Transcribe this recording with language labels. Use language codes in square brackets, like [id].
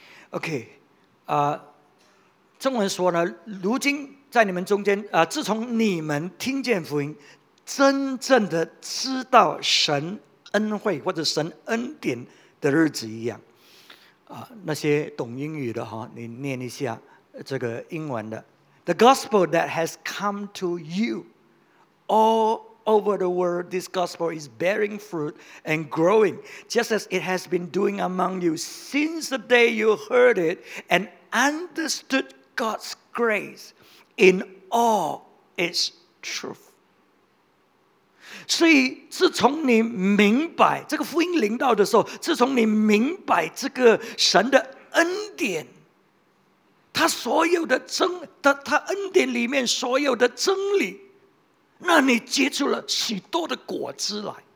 [zh] OK， 中文说呢，如今在你们中间，自从你们听见福音，真正的知道神恩惠或者神恩典的日子一样。那些懂英语的哈，你念一下这个英文的。 [en] The gospel that has come to you all over the world, this gospel is bearing fruit and growing, just as it has been doing among you since the day you heard it and understood God's grace in all its truth. [zh] 所以自从你明白这个福音临到的时候，自从你明白这个神的恩典，他所有的真，他恩典里面所有的真理，那你结出了许多的果子来。